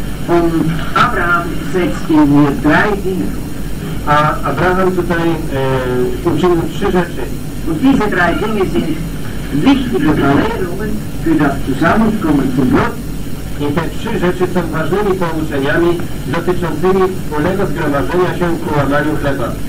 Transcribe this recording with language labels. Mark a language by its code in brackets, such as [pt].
[de] Und Abraham setzt ihm hier drei Dinge. [pl] A Abraham tutaj uczynił trzy rzeczy. [de] Und diese drei Dinge sind wichtige Verlehrungen für das Zusammenkommen zum Gott. [pl] I te trzy rzeczy są ważnymi pouczeniami dotyczącymi wspólnego zgromadzenia się ku łamaniu chleba.